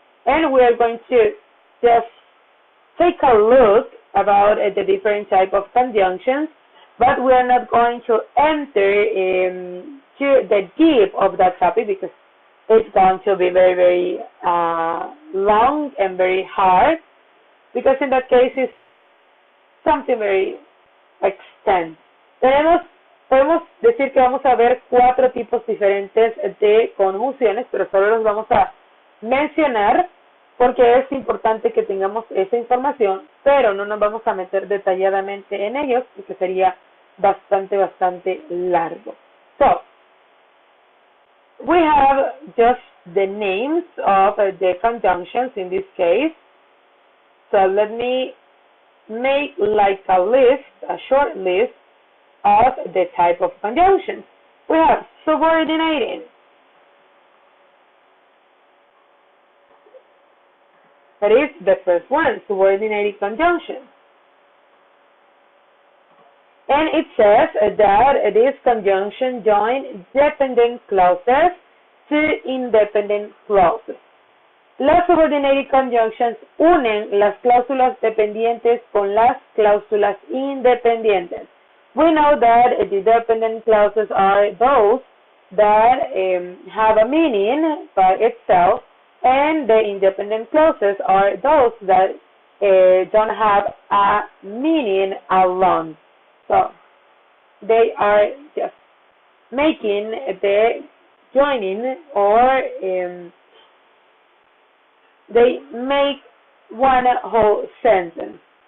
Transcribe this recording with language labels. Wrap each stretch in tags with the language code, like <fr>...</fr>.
<en>And we are going to just take a look about the different type of conjunctions, but we are not going to enter into the deep of that topic because it's going to be very, very long and very hard, because in that case it's something very extensive.</en> <es>Podemos decir que vamos a ver cuatro tipos diferentes de conjunciones, pero solo los vamos a mencionar porque es importante que tengamos esa información, pero no nos vamos a meter detalladamente en ellos porque sería bastante largo.</es> <en>So, we have just the names of the conjunctions in this case. So, let me make like a list, a short list of the type of conjunctions. We have subordinating. That is the first one, subordinating conjunction. And it says that this conjunction joins dependent clauses to independent clauses.</en> <es>Las subordinating conjunctions unen las cláusulas dependientes con las cláusulas independientes.</es> <en>We know that the dependent clauses are those that have a meaning by itself, and the independent clauses are those that don't have a meaning alone. So, they are just making the joining, or they make one whole sentence.</en>